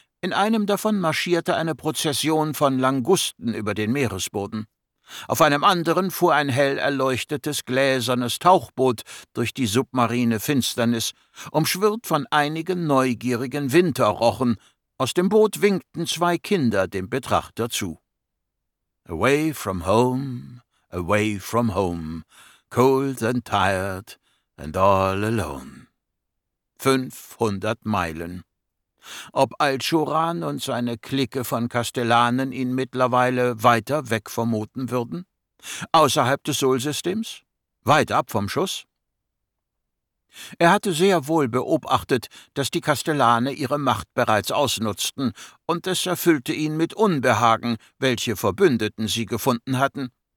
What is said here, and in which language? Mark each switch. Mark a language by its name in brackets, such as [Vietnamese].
[German] In einem davon marschierte eine Prozession von Langusten über den Meeresboden. Auf einem anderen fuhr ein hell erleuchtetes, gläsernes Tauchboot durch die submarine Finsternis, umschwirrt von einigen neugierigen Winterrochen. Aus dem Boot winkten zwei Kinder dem Betrachter zu. [English] Away from home, away from home, cold and tired and all alone. [German] 500 Meilen. Ob Al-Shuran und seine Clique von Kastellanen ihn mittlerweile weiter weg vermuten würden? Außerhalb des Sol-Systems? Weit ab vom Schuss? Er hatte sehr wohl beobachtet, dass die Kastellane ihre Macht bereits ausnutzten, und es erfüllte ihn mit Unbehagen, welche Verbündeten sie gefunden hatten.